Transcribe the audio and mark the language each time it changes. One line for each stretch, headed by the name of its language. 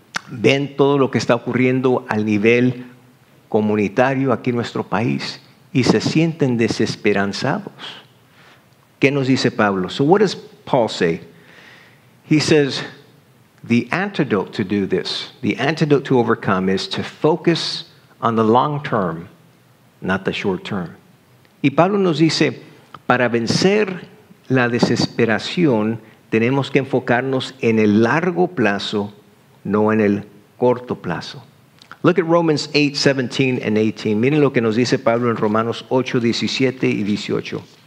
Spanish: ven todo lo que está ocurriendo al nivel comunitario aquí en nuestro país y se sienten desesperanzados. ¿Qué nos dice Pablo?
English: So what does Paul say? He says, the antidote to do this, the antidote to overcome is to focus on the long term, not the short term.
Spanish: Y Pablo nos dice, para vencer la desesperación, tenemos que enfocarnos en el largo plazo, no en el corto plazo.
English: Look at Romans 8, 17 and 18.
Spanish: Miren lo que nos dice Pablo en Romanos 8, 17 y 18.